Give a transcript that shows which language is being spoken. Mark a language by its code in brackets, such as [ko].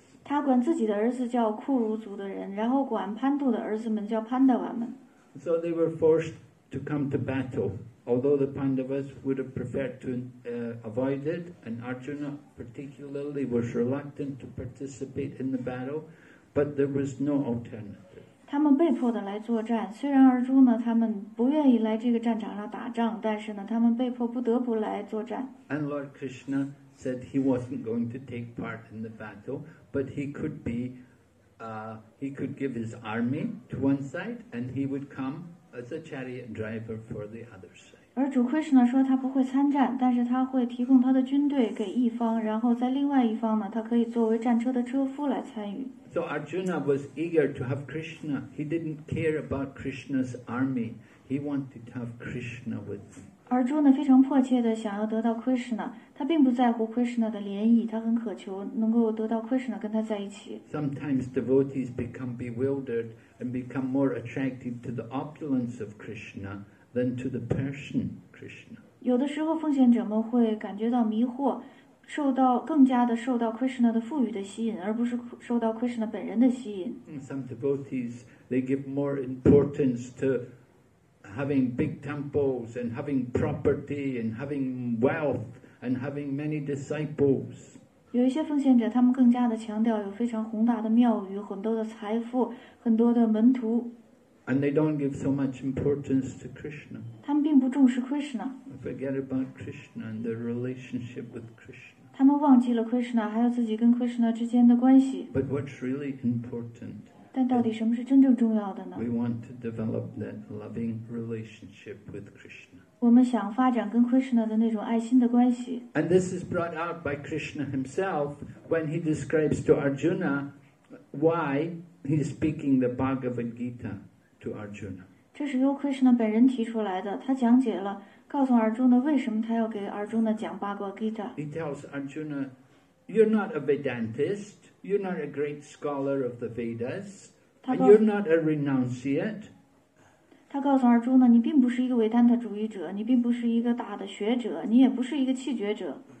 [zh] 他管自己的儿子叫库儒族的人，然后管 Pandu 的儿子们叫 Pandava 们。 [en] So they were forced to come to battle. Although the Pandavas would have preferred to avoid it, and Arjuna particularly was reluctant to participate in the battle, but there was no alternative. [zh] 他们被迫的来作战，虽然而朱呢，他们不愿意来这个战场上打仗，但是呢，他们被迫不得不来作战。 [en] And Lord Krishna said he wasn't going to take part in the battle, but he could be, he could give his army to one side, and he would come. As a chariot driver for the other side. [zh] 而主 Krishna 说他不会参战，但是他会提供他的军队给一方，然后在另外一方呢，他可以作为战车的车夫来参与。 [en] So Arjuna was eager to have Krishna. He didn't care about Krishna's army. He wanted to have Krishna with him. [zh] Arjuna 非常迫切地想要得到 Krishna. 他并不在乎 Krishna 的联谊，他很渴求能够得到 Krishna 跟他在一起。 [en] Sometimes devotees become bewildered. And become more attracted to the opulence of Krishna than to the person Krishna. [zh] 有的时候奉献者们会感觉到迷惑，受到更加的受到 Krishna 的富裕的吸引，而不是受到 Krishna 本人的吸引。 [en] Some devotees they give more importance to having big temples and having property and having wealth and having many disciples. [zh] 有一些奉献者，他们更加的强调有非常宏大的庙宇、很多的财富、很多的门徒。 [en] And they don't give so much importance to Krishna. [zh] 他们并不重视 Krishna. [en] Forget about Krishna and their relationship with Krishna. [zh] 他们忘记了 Krishna 还有自己跟 Krishna 之间的关系。 [en] But what's really important? [zh] 但到底什么是真正重要的呢？ [en] We want to develop that loving relationship with Krishna. [zh] 我们想发展跟 Krishna 的那种爱心的关系。 [en] And this is brought out by Krishna himself when he describes to Arjuna why he is speaking the Bhagavad Gita to Arjuna. [zh] 这是由 Krishna 本人提出来的，他讲解了，告诉 Arjuna 为什么他要给 Arjuna 讲 Bhagavad Gita。 [en] He tells Arjuna, you're not a Vedantist. You're not a great scholar of the Vedas, and you're not a renunciate. [zh] 他告诉 Arjuna, 你并不是一个维坦特主义者，你并不是一个大的学者，你也不是一个弃绝者。